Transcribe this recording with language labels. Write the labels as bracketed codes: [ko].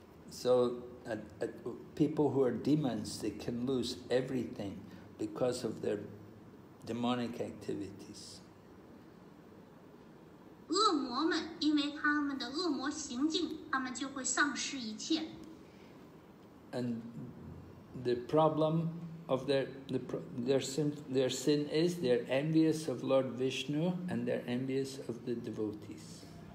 [en] So, people who are demons, they can lose everything because of their demonic activities. [zh] 恶魔们因为他们的恶魔行径，他们就会丧失一切。 [en] And the problem of their sin is they're envious of Lord Vishnu and they're envious of the devotees.